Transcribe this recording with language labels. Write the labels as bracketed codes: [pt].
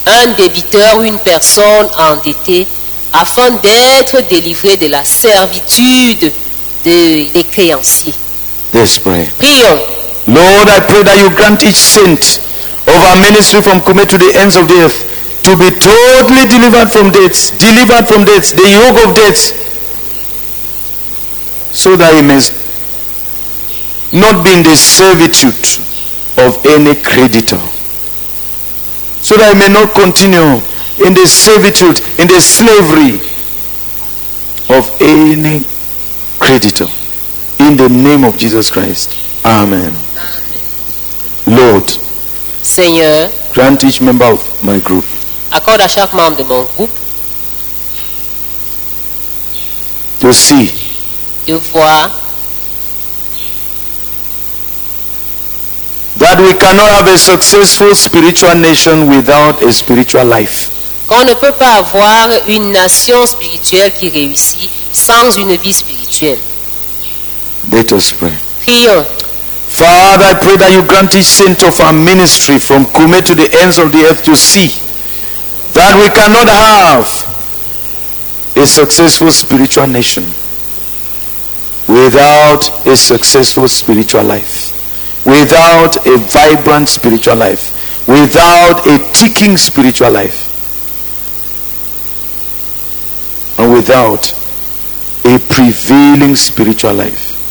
[fr] Un débiteur ou une personne endettée, afin d'être délivré de la servitude des créanciers. [en] Let's pray. [fr] Prions. [en] Lord, I pray that you grant each saint of our ministry from Kume to the ends of the earth to be totally delivered from debts, the yoke of debts, so that he may not be in the servitude of any creditor. So that he may not continue in the servitude, in the slavery of any creditor. In the name of Jesus Christ. Amen. Lord, [fr] Seigneur, [en] grant each member of my group, [fr] accorde à chaque membre de mon groupe, [en] to see, [fr] de voir, [en] that we cannot have a successful spiritual nation without a spiritual life. [fr] Qu'on ne peut pas avoir une nation spirituelle qui réussit sans une vie spirituelle. [en] Let us pray. [fr] Prions. [en] Father, I pray that you grant each saint of our ministry from Kume to the ends of the earth to see that we cannot have a successful spiritual nation without a successful spiritual life, without a vibrant spiritual life, without a ticking spiritual life, and without a prevailing spiritual life.